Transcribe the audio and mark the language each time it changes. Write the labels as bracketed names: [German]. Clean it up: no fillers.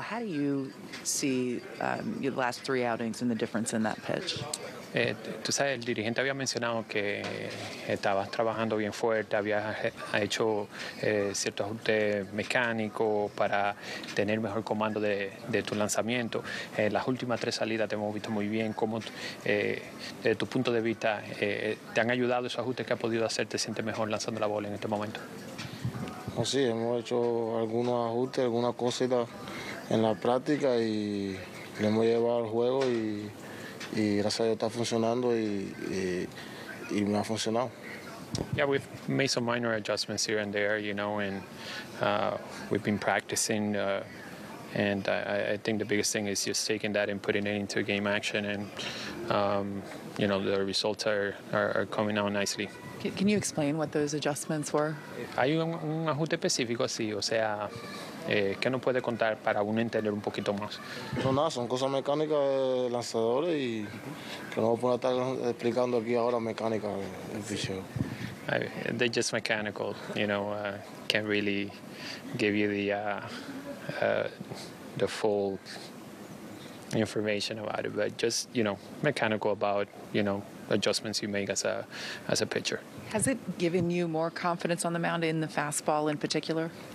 [English] How do you see your last three outings and the difference in that pitch? [Spanish] Tú sabes, el dirigente había mencionado que estabas trabajando bien fuerte, habías hecho ciertos ajustes mecánicos para tener mejor comando de tu lanzamiento. En las últimas tres salidas te hemos visto muy bien. ¿Cómo, desde tu punto de vista, te han ayudado esos ajustes que has podido hacer? ¿Te sientes mejor lanzando la bola en este momento? Oh, sí, hemos hecho algunos ajustes, algunas cositas en la práctica y le hemos llevado al juego y... Y gracias a Dios está funcionando y me ha funcionado. [English] Yeah, we've made some minor adjustments here and there, you know, and we've been practicing. And I think the biggest thing is just taking that and putting it into game action. And, you know, the results are coming out nicely. Can you explain what those adjustments were? [Spanish] Hay un ajuste específico, sí, o sea... ¿Qué nos puede contar para uno entender un poquito más? No, nada, son cosas mecánicas de lanzadores y que no voy a estar explicando aquí ahora mecánica el picheo. [English] They're just mechanical, you know, can't really give you the full information about it, but just, you know, mechanical about, you know, adjustments you make as a pitcher. Has it given you more confidence on the mound in the fastball in particular?